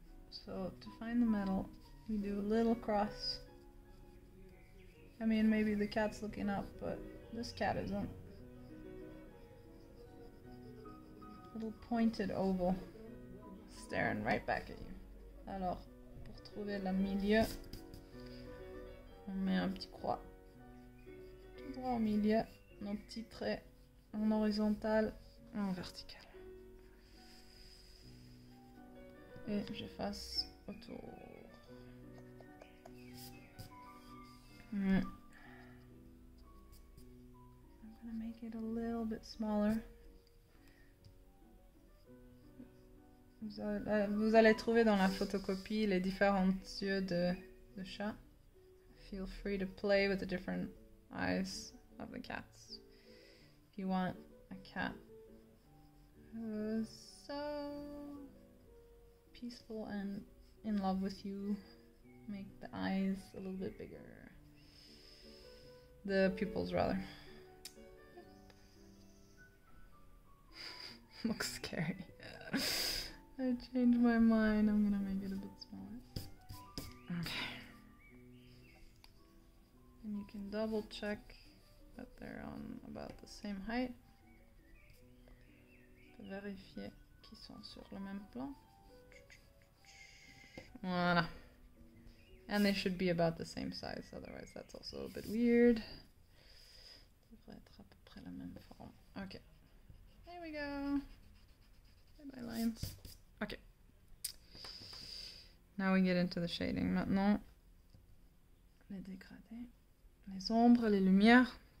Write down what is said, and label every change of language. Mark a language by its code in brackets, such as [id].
[en] So to find the middle, we do a little cross. I mean, maybe the cat's looking up, but this cat isn't. Little pointed oval, staring right back at you. [fr] Alors, pour trouver le milieu, on met un petit croix. Droit au milieu, nos petits traits en horizontal et en vertical. Et j'efface autour. [en] I'm gonna make it a little bit smaller. [fr] Vous allez trouver dans la photocopie les différents yeux de chat. [en] Feel free to play with the different eyes of the cats. If you want a cat who's so peaceful and in love with you, make the eyes a little bit bigger. The pupils, rather. Looks scary. I changed my mind. I'm gonna make it a bit smaller. Okay. And you can double check that they're on about the same height. [fr] Vérifier qu'ils sont sur le même plan. [en] Voilà. And they should be about the same size, otherwise that's also a bit weird. [fr] Devrait être à peu près la même forme. [en] Okay. There we go. Bye-bye lines. Okay. Now we get into the shading. [fr] Maintenant, les dégradés. Les ombres, les lumières.